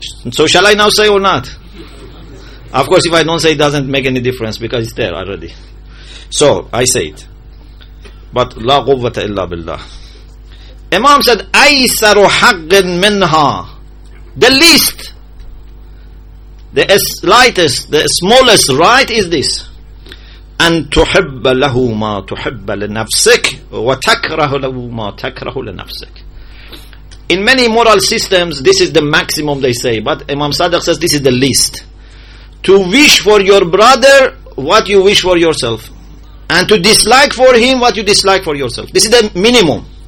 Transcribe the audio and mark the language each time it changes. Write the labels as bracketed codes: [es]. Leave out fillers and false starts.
[en] So shall I now say or not? Of course, if I don't say, it doesn't make any difference, because it's there already. So I say it. But [ar] لا قوة إلا بالله. Imam said, أيسر حق منها. [en] The least, the slightest, the smallest right is this. [ar] أن تحب له ما تحب لنفسك وتكره له ما تكره لنفسك. [en] In many moral systems, this is the maximum, they say. But Imam Sadiq says, this is the least. To wish for your brother what you wish for yourself, and to dislike for him what you dislike for yourself. This is the minimum.